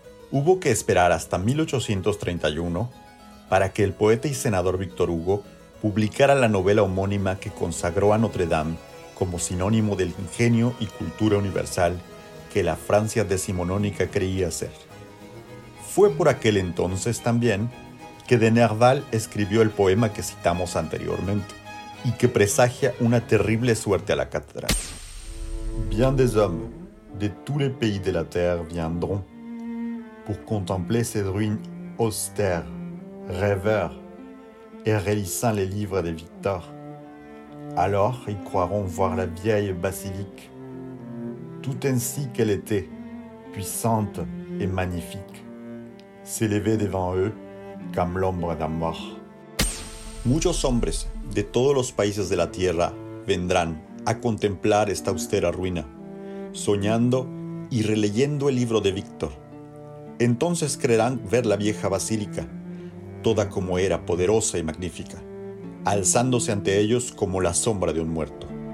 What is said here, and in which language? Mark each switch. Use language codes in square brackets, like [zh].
[es] Hubo que esperar hasta 1831 para que el poeta y senador Víctor Hugo publicara la novela homónima que consagró a Notre Dame como sinónimo del ingenio y cultura universal que la Francia decimonónica creía ser. Fue por aquel entonces también que de Nerval escribió el poema que citamos anteriormente y que presagia una terrible suerte a la catedral. [fr] Bien des hommes de tous les pays de la terre viendront pour contempler ces ruines austères, rêveurs, et relisant les livres de Victor. Alors ils croiront voir la vieille basilique, tout ainsi qu'elle était, puissante et magnifique, s'élever devant eux comme l'ombre d'un mort. [es] Muchos hombres de todos los países de la tierra vendrán a contemplar esta austera ruina, soñando y releyendo el libro de Victor. Entonces creerán ver la vieja basílica, toda como era, poderosa y magnífica, alzándose ante ellos como la sombra de un muerto.